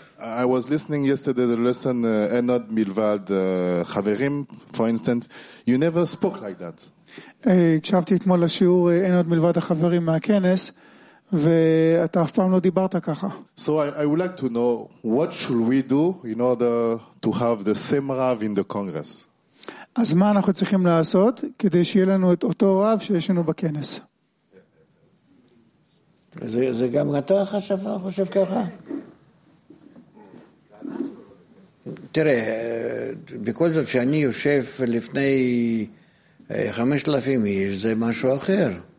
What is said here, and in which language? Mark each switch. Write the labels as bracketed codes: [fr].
[en] I was listening yesterday to the lesson, Enod Milvad, חברים, for instance. You never spoke like that. [he] הקשבתי אתמול לשיעור Enod Milvad, החברים מהכנס, ואתה אף פעם לא דיברת ככה. [en] So I would like to know, what should we do in order to have the same Rav in the Congress? [he] אז מה אנחנו צריכים לעשות כדי שיהיה לנו את אותו רב שיש לנו בכנס? זה גם אתה חושב ככה? תראה, בכל זאת שאני יושב לפני 5,000 איש, זה משהו אחר.